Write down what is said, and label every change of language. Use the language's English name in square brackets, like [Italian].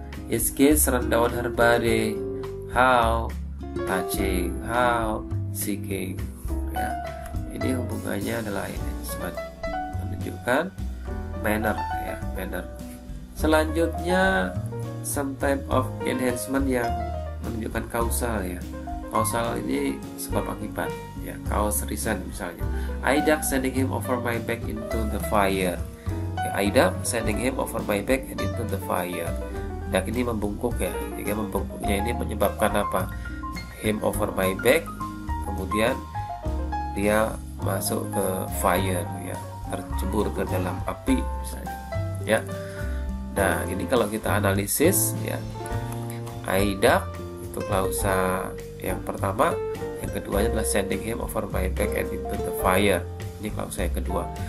[English] His kiss ran down her body, how, touching, how, seeking. [Indonesian] Ya. Ini hubungannya adalah enhancement. Menunjukkan manner ya, manner. Selanjutnya [English] some type of enhancement [Indonesian] yang menunjukkan kausal ya. Kausal ini sebab akibat ya, [English] cause reason [Indonesian] misalnya. [English] I duck sending him over my back into the fire. I duck sending him over my back and into the fire. [Indonesian] Duck ini membungkuk ya. Jadi membungkuknya ini menyebabkan apa? [English] Him over my back, [Indonesian] kemudian dia masuk ke fire ya, tercebur ke dalam api misalnya. Ya. Nah, ini kalau kita analisis ya. [English] I duck [Indonesian] itu klausa yang pertama, yang keduanya adalah [English] sending him over my back and into the fire. [Indonesian] Ini klausa yang kedua.